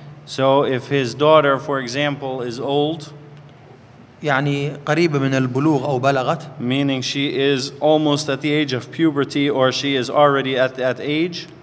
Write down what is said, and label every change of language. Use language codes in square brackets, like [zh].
[en] So if his daughter, for example, is old, [ar] يعني قريبة من البلوغ أو بلغت, [en] meaning she is almost at the age of puberty or she is already at that age,